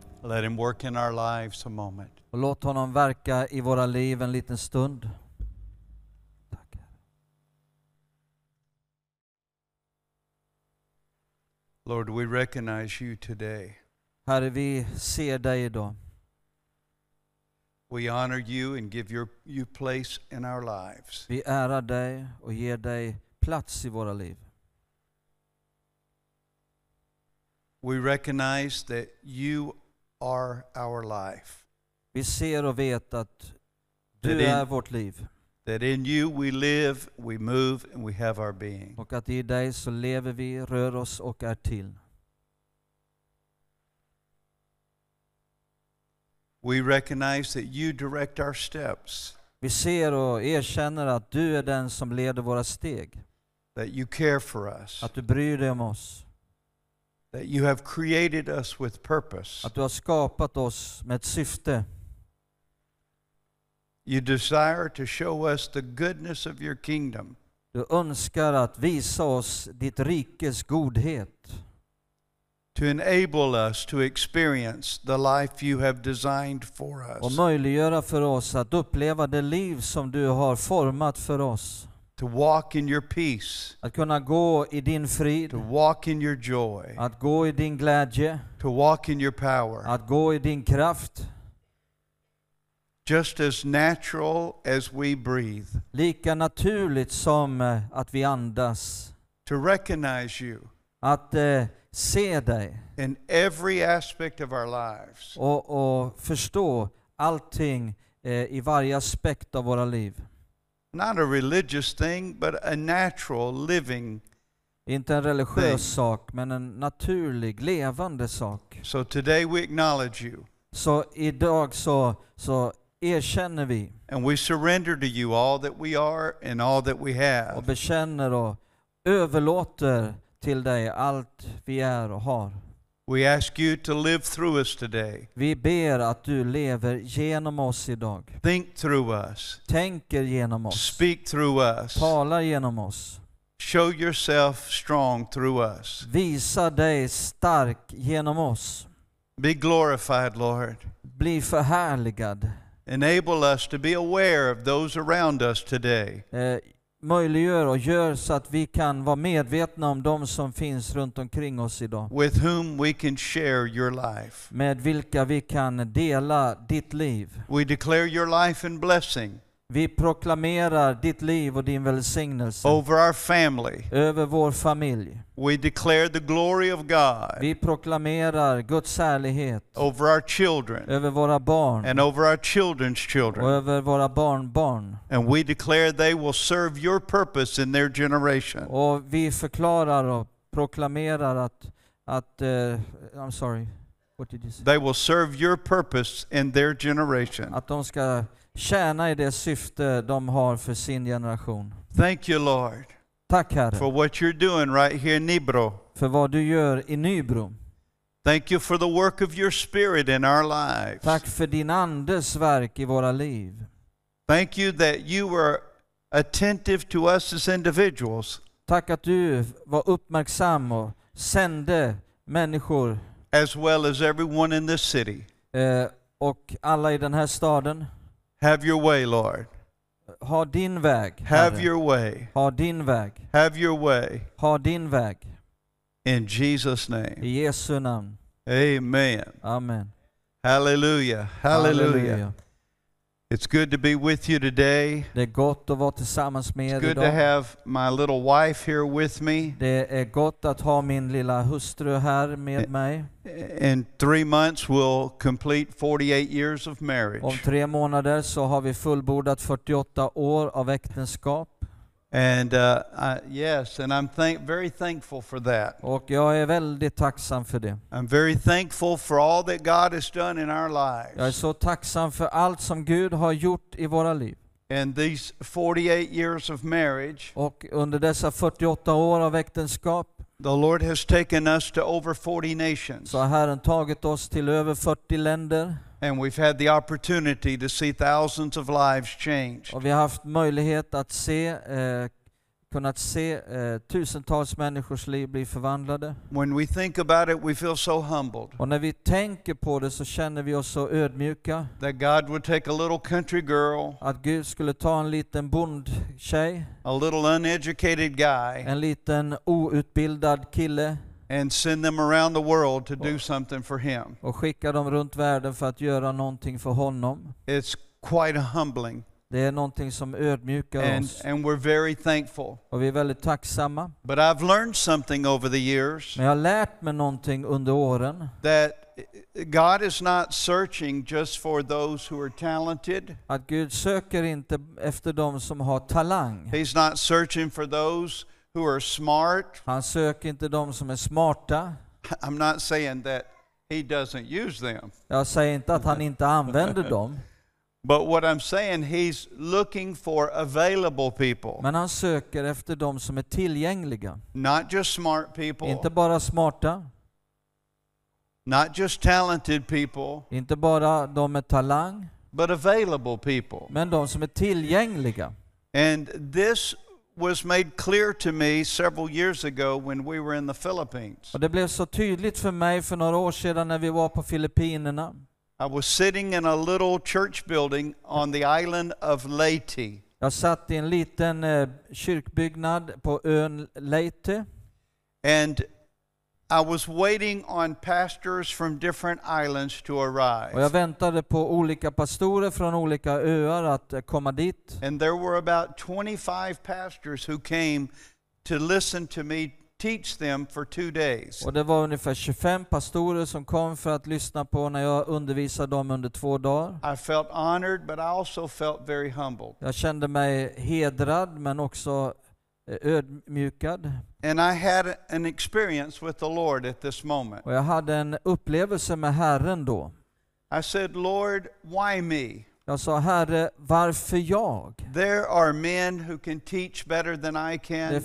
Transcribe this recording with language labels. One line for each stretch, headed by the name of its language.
English: Let him work in our lives a moment.
Swedish: Och låt honom verka i våra liv en liten stund.
English: Lord, we recognize you today.
Swedish: Herre, vi ser dig idag.
English: We honor you and give you place in our lives.
Swedish: Vi ärar dig och ger dig plats i våra liv.
English: We recognize that you are our life.
Swedish: Vi ser och vet att du är vårt liv.
English: That in you we live, we move, and we have our being.
Swedish: Och att i dig så lever vi, rör oss och är till.
English: We recognize that you direct our steps.
Swedish: Vi ser och erkänner att du är den som leder våra steg.
English: That you care for us.
Swedish: Att du bryr dig om oss.
English: That you have created us with purpose.
Swedish: Att du har skapat oss med ett syfte.
English: You desire to show us the goodness of your kingdom.
Swedish: Du önskar att visa oss ditt rikes godhet.
English: To enable us to experience the life you have designed for us.
Swedish: Och möjliggöra för oss att uppleva det liv som du har format för oss.
English: To walk in your peace.
Swedish: Att kunna gå i din frid.
English: To walk in your joy.
Swedish: Att gå i din glädje.
English: To walk in your power.
Swedish: Att gå i din kraft.
English: Just as natural as we breathe.
Swedish: Lika naturligt som att vi andas.
English: To recognize you.
Swedish: Att se dig.
English: In every aspect of our lives.
Swedish: Och förstå allting i varje aspekt av våra liv.
English: Not a religious thing, but a natural living.
Swedish: Inte en religiös sak, men en naturlig levande sak.
English: So today we acknowledge you.
Swedish: Så idag så erkänner vi.
English: And we surrender to you all that we are and all that we have.
Swedish: Och bekänner och överlåter till dig allt vi är och har.
English: We ask you to live through us today.
Swedish: Vi ber att du lever genom oss idag.
English: Think through us.
Swedish: Tänker genom oss.
English: Speak through us.
Swedish: Talar genom oss.
English: Show yourself strong through us.
Swedish: Visa dig stark genom oss.
English: Be glorified, Lord.
Swedish: Bli förhärligad.
English: Enable us to be aware of those around us today.
Swedish: Möjliggör och gör så att vi kan vara medvetna om de som finns runt omkring oss idag.
English: With whom we can share your life.
Swedish: Med vilka vi kan dela ditt liv.
English: We declare your life and blessing.
Swedish: Vi proklamerar ditt liv och din välsignelse.
English: Over our family.
Swedish: Över vår familj.
English: We declare the glory of God.
Swedish: Vi proklamerar Guds härlighet.
English: Over our children.
Swedish: Över våra barn.
English: And over our children's children.
Swedish: Och över våra barnbarn.
English: And we declare they will serve your purpose in their generation.
Swedish: Och vi förklarar och proklamerar att
English: I'm sorry. What did you say? They will serve your purpose in their generation.
Swedish: Att de ska tjäna i det syfte de har för sin generation.
English: Thank you, Lord.
Swedish: Tack Herre.
English: For what you're doing right here in Nybro.
Swedish: För vad du gör i Nybro.
English: Thank you for the work of your spirit in our lives.
Swedish: Tack för din andes verk i våra liv.
English: Thank you that you were attentive to us as individuals.
Swedish: Tack att du var uppmärksam och sände människor.
English: As well as everyone in this city.
Swedish: Och alla i den här staden.
English: Have your way, Lord.
Swedish: Ha din väg.
English: Have your way.
Swedish: Ha din väg.
English: Have your way.
Swedish: Ha din väg.
English: In Jesus' name.
Swedish: I Jesu namn.
English: Amen.
Swedish: Amen.
English: Hallelujah. Hallelujah. Hallelujah. It's good to be with you today.
Swedish: Det är gott att vara tillsammans med er idag.
English: It's good to have my little wife here with me.
Swedish: Det är gott att ha min lilla hustru här med mig.
English: In 3 months we'll complete 48 years of marriage.
Swedish: Om 3 månader så har vi fullbordat 48 år av äktenskap.
English: And yes, and I'm very thankful for that.
Swedish: Och jag är väldigt tacksam för det.
English: I'm very thankful for all that God has done in our lives.
Swedish: Jag är så tacksam för allt som Gud har gjort i våra liv.
English: And these 48 years of marriage.
Swedish: Och under dessa 48 år av äktenskap.
English: The Lord has taken us to over 40 nations.
Swedish: Så Herren tagit oss till över 40 länder.
English: And we've had the opportunity to see thousands of lives changed.
Swedish: Och vi har haft möjlighet att se kunnat se tusentals människors liv bli förvandlade.
English: When we think about it, we feel so humbled.
Swedish: Och när vi tänker på det så känner vi oss så ödmjuka.
English: That God would take a little country girl.
Swedish: Att Gud skulle ta en liten bondtjej.
English: A little uneducated guy.
Swedish: En liten outbildad kille.
English: And send them around the world to do something for him.
Swedish: Och skicka dem runt världen för att göra någonting för honom.
English: It's quite humbling.
Swedish: Det är någonting som ödmjukar oss.
English: And we're very thankful.
Swedish: Och vi är väldigt tacksamma.
English: But I've learned something over the years.
Swedish: Men jag har lärt mig någonting under åren.
English: That God is not searching just for those who are talented.
Swedish: Att Gud söker inte efter de som har talang.
English: He's not searching for those who are smart.
Swedish: Han söker inte de som är smarta.
English: I'm not saying that he doesn't use them.
Swedish: Jag säger inte att han inte använder dem.
English: But what I'm saying, he's looking for available people.
Swedish: Men han söker efter de som är tillgängliga.
English: Not just smart people.
Swedish: Inte bara smarta.
English: Not just talented people.
Swedish: Inte bara de med talang.
English: But available people.
Swedish: Men de som är tillgängliga.
English: And this was made clear to me several years ago when we were in the Philippines.
Swedish: Och det blev så tydligt för mig för några år sedan när vi var på Filippinerna.
English: I was sitting in a little church building on the island of Leyte.
Swedish: Jag satt i en liten kyrkbyggnad på ön Leyte.
English: And I was waiting on pastors from different islands to arrive.
Swedish: Och jag väntade på olika pastorer från olika öar att komma dit.
English: And there were about 25 pastors who came to listen to me teach them for 2 days.
Swedish: Och det var ungefär 25 pastorer som kom för att lyssna på när jag undervisade dem under 2 dagar.
English: I felt honored, but I also felt very humbled.
Swedish: Jag kände mig hedrad men också ödmjukad.
English: And I had an experience with the Lord at this moment.
Swedish: Och jag hade en upplevelse med Herren då.
English: I said, Lord, why me?
Swedish: Jag sa, Herre, varför jag?
English: There are men who can teach better than I can.